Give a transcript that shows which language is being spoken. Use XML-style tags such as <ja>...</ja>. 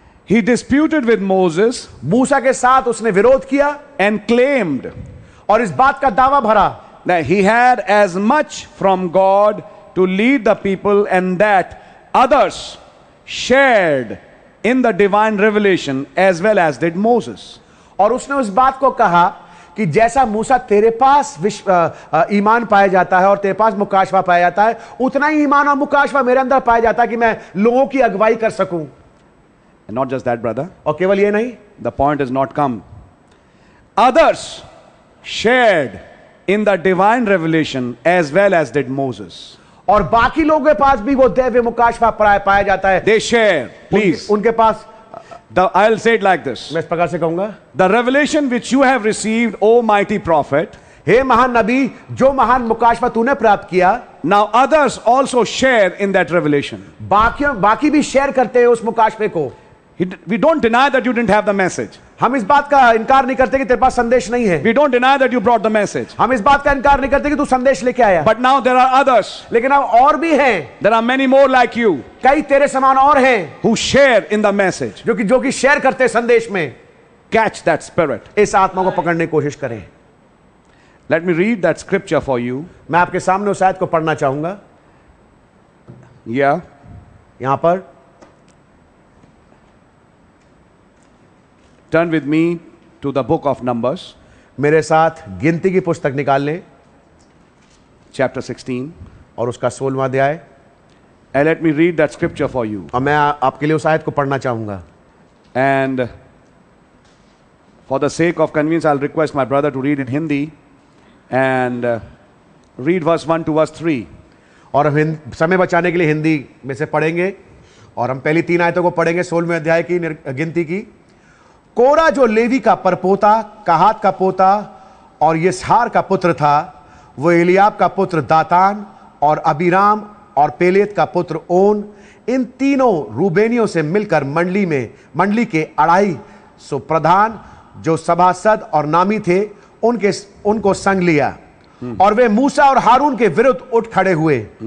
<en>He disputed with Moses.</en> <hi>मूसा के साथ उसने विरोध किया.</hi> <en>And claimed.</en> <hi>और इस बात का दावा भरा.</hi> <en>Now he had as much from God to lead the people and that others shared in the divine revelation as well as did Moses.</en> <hi>और उसने उस बात को कहा कि जैसा मूसा तेरे पास ईमान पाया जाता है और तेरे पास मुकाशवा पाया जाता है उतना ही ईमान और मुकाशवा मेरे अंदर पाया जाता है कि मैं लोगों की अगुवाई कर सकूं.</hi> <en>And not just that brother.</en> <hi>और केवल ये नहीं.</hi> <en>The point is not come. Others shared in the divine revelation as well as did Moses.</en> <hi>और बाकी लोगों के पास भी वो दैव्य मुकाशवा पाया जाता है.</hi> <en>They share. Please.</en> <hi>उनके पास.</hi> <en>I'll say it like this.</en> <hi>मैं इस प्रकार से कहूंगा.</hi> <en>The revelation which you have received, O mighty prophet.</en> <hi>हे महान नबी जो महान मुकाशवा तूने प्राप्त किया</hi> <en>Now others also share in that revelation.</en> <hi>बाकी भी शेयर करते हैं उस मुकाशवे को</hi> <en>We don't deny that you didn't have the message.</en> <hi>हम इस बात का इनकार नहीं करते कि तेरे पास संदेश नहीं है</hi> <en>We don't deny that you brought the message.</en> <hi>हम इस बात का इनकार नहीं करते कि तू संदेश लेके आया</hi> <en>But now there are others.</en> <hi>लेकिन अब और भी हैं</hi> <en>There are many more like you.</en> <hi>कई तेरे समान और हैं</hi> <en>Who share in the message.</en> <hi>जो कि शेयर करते हैं संदेश में</hi> <en>Catch that spirit.</en> <hi>इस आत्मा को पकड़ने की कोशिश करें</hi> <en>Let me read that scripture for you.</en> <hi>मैं आपके सामने उस आयत को पढ़ना चाहूंगा</hi> <en>Yeah.</en> <hi>यहां पर</hi> <en>Turn with me to the book of Numbers.</en> <hi>मेरे साथ गिनती की पुस्तक निकाल लें</hi> <en>Chapter 16.</en> <hi>और उसका 16वां अध्याय</hi> <en>And let me read that scripture for you.</en> <hi>और मैं आपके लिए उस आयत को पढ़ना चाहूंगा</hi> <en>And for the sake of convenience, I'll request my brother to read in Hindi. And read verse 1 to verse 3.</en> <hi>और हम समय बचाने के लिए हिंदी में से पढ़ेंगे और हम पहली तीन आयतों को पढ़ेंगे 16वें अध्याय की गिनती की कोरा जो लेवी का परपोता कहात का पोता और यसहार का पुत्र था वो एलियाब का पुत्र दातान और अबीराम और पेलेत का पुत्र ओन इन तीनों रूबेनियों से मिलकर मंडली के 250 प्रधान जो सभासद और नामी थे उनको संग लिया और वे मूसा और हारून के विरुद्ध उठ खड़े हुए</hi>